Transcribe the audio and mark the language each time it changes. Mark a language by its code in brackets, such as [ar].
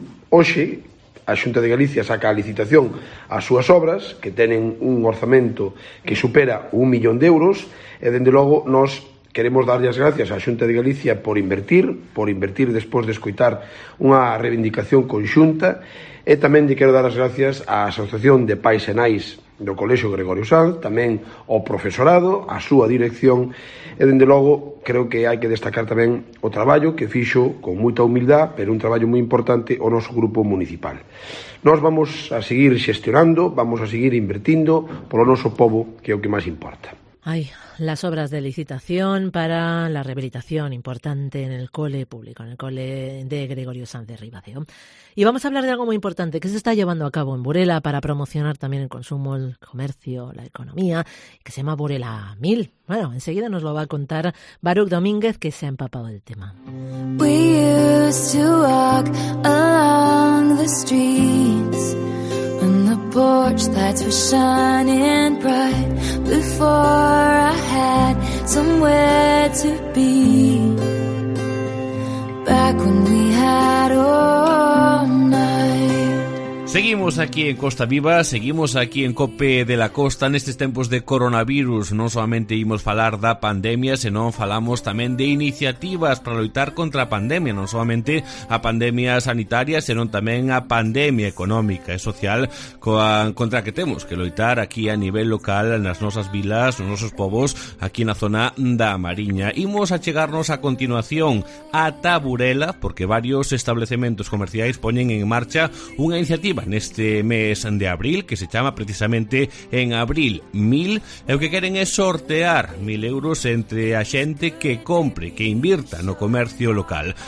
[gl] Hoxe a Xunta de Galicia saca a licitación as súas obras, que tenen un orzamento que supera 1 millón de euros, e dende logo nos queremos darlle as gracias á Xunta de Galicia por invertir despois de escoitar unha reivindicación conxunta, e tamén lle quero dar as gracias á Asociación de Pais e Nais do Colexio Gregorio Sanz, tamén ao profesorado, a súa dirección, e dende logo creo que hai que destacar tamén o traballo que fixo con moita humildade, pero un traballo moi importante, o noso grupo municipal. Nós vamos a seguir xestionando, vamos a seguir invertindo polo noso pobo, que é o que máis importa. [es] Ay, las obras de licitación para la rehabilitación importante en el cole público, en el cole de Gregorio Sanz de Ribadeo. Y vamos a hablar de algo muy importante que se está llevando a cabo en Burela para promocionar también el consumo, el comercio, la economía, que se llama Burela 1000. Bueno, enseguida nos lo va a contar Baruch Domínguez, que se ha empapado del tema. [en] We used to walk along the streets. Porch lights were shining bright before I had somewhere to be. Back when we had all night. [es] Seguimos aquí en Costa Viva, seguimos aquí en Cope de la Costa. [gl] Nestes tempos de coronavirus, non solamente imos falar da pandemia, senón falamos tamén de iniciativas para loitar contra a pandemia, non solamente a pandemia sanitaria, senón tamén a pandemia económica e social contra a que temos que loitar aquí a nivel local, nas nosas vilas, nos nosos povos, aquí na zona da Mariña. Imos a chegarnos a continuación a Taburela, porque varios establecementos comerciais poñen en marcha unha iniciativa [es] iniciativa en este mes de abril, que se llama precisamente En Abril 1000, lo que quieren es sortear 1000 euros entre [gl] a xente que compre, [es] que invierta [gl] no comercio local.